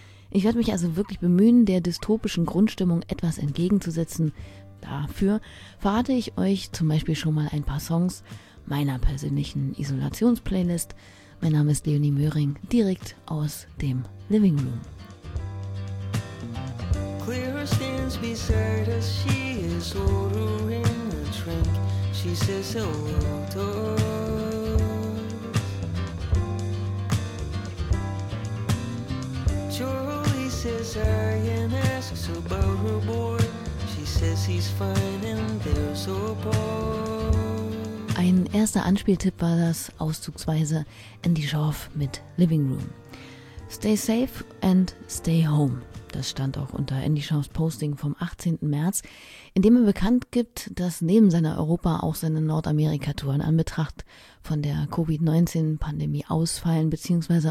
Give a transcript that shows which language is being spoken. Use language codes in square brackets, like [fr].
[de] Ich werde mich also wirklich bemühen, der dystopischen Grundstimmung etwas entgegenzusetzen. Dafür verrate ich euch zum Beispiel schon mal ein paar Songs meiner persönlichen Isolations-Playlist. Mein Name ist Leonie Möhring, direkt aus dem Living Room. [en] Clara stands beside us, she is ordering a drink, she says hello to us. Charlie says hi and asks about her boy, she says he's fine and there's a pause. [de] Ein erster Anspieltipp war das auszugsweise Andy Schorf mit Living Room. [en] Stay safe and stay home. [de] Das stand auch unter Andy Schorfs Posting vom 18. März, in dem er bekannt gibt, dass neben seiner Europa auch seine Nordamerika-Tour in Anbetracht von der Covid-19-Pandemie ausfallen bzw.